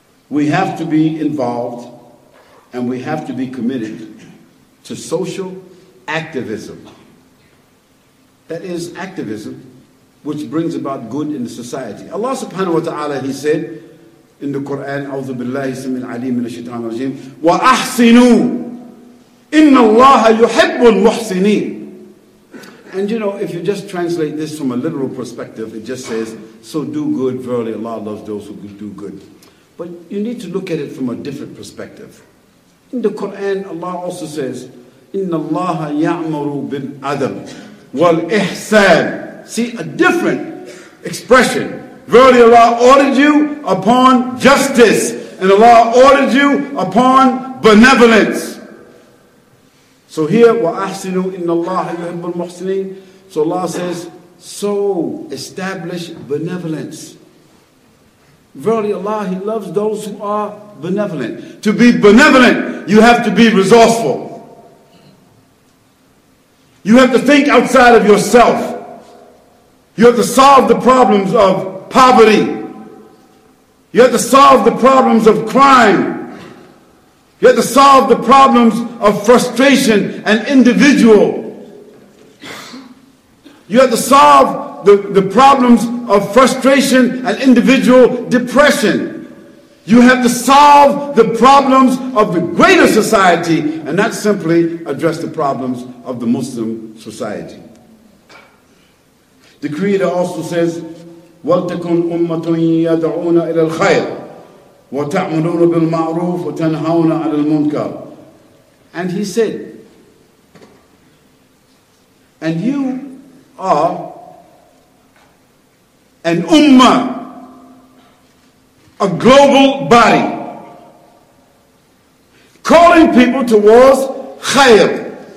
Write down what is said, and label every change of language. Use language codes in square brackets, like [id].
[en] We have to be involved and we have to be committed to social activism. That is activism which brings about good in the society. Allah subhanahu wa ta'ala, He said in the Quran, [ar] أَعُوذُ بِاللَّهِ سَمِ الْعَلِيمِ مِنَ الشَّيْطَانِ الرَّجِيمِ وَأَحْسِنُوا إِنَّ اللَّهَ يُحِبُّ الْمُحْسِنِينَ. [en] And you know, if you just translate this from a literal perspective, it just says, so do good, verily Allah loves those who do good. But you need to look at it from a different perspective. In the Quran, Allah also says, [ar] إِنَّ اللَّهَ يَعْمَرُ بِالْعَدَلِ وَالْإِحْسَانِ. [en] See, a different expression. Verily Allah ordered you upon justice, and Allah ordered you upon benevolence. So here, [ar] وَأَحْسِنُوا إِنَّ اللَّهَ يُحِبُّ الْمُحْسِنِينَ. [en] So Allah says, so establish benevolence. Verily Allah, He loves those who are benevolent. To be benevolent, you have to be resourceful. You have to think outside of yourself. You have to solve the problems of poverty. You have to solve the problems of crime. You have to solve the problems of frustration and individual. You have to solve the problems of frustration and individual depression. You have to solve the problems of the greater society and not simply address the problems of the Muslim society. The Creator also says, [ar] وَلْتَكُنْ أُمَّةٌ يَدْعُونَ إِلَى الْخَيْرِ وَتَعْمَلُونَ بِالْمَعْرُوفِ وَتَنْهَوْنَ عَلَى الْمُنْكَرِ. [en] And He said, and you are an ummah, a global body, calling people towards khayr.